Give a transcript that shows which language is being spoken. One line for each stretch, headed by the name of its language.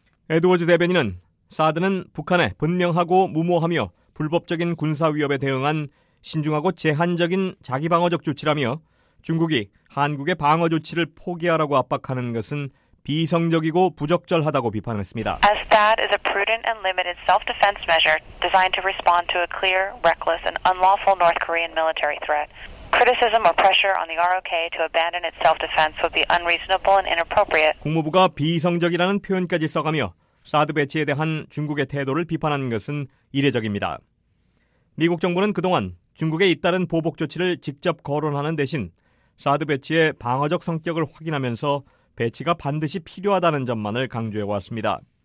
Korean: 에드워즈 대변인은 사드는 북한의 분명하고 무모하며 불법적인 군사 위협에 대응한 신중하고 제한적인 자기방어적 조치라며 중국이 한국의 방어 조치를 포기하라고 압박하는 것은 비이성적이고 부적절하다고 비판했습니다.
English: As that is a prudent and limited self-defense measure designed to respond to a clear, reckless, and unlawful North Korean military threat. Criticism or pressure on the ROK to abandon its self-defense would be unreasonable and inappropriate.
Korean: 국무부가 비이성적이라는 표현까지 써가며 사드 배치에 대한 중국의 태도를 비판하는 것은 이례적입니다. 미국 정부는 그동안 중국의 잇따른 보복 조치를 직접 거론하는 대신 사드 배치의 방어적 성격을 확인하면서 배치가 반드시 필요하다는 점만을 강조해왔습니다.